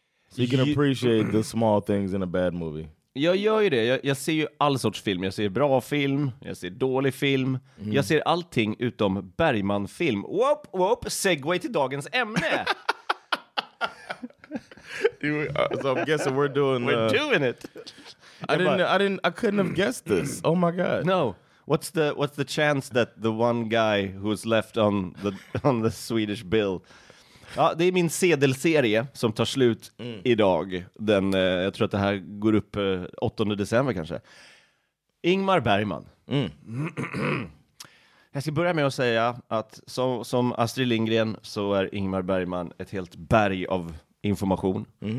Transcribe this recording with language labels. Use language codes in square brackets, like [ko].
[en] So you can appreciate the small things in a bad movie. [sv] Jag gör ju det. Jag ser ju all sorts film. Jag ser bra film, jag ser dålig film. Mm. Jag ser allting utom Bergman-film. Whoop, whoop, segway till dagens ämne. [en] So I'm guessing we're doing doing it. I couldn't have guessed this. Oh my god. No. What's the chance that the one guy who's left on the Swedish bill? [sv] Ja, det är min sedelserie som tar slut idag. Den jag tror att det här går upp 8 december kanske. Ingmar Bergman. Mm. Jag ska börja med att säga att som Astrid Lindgren så är Ingmar Bergman ett helt berg av information. Mm.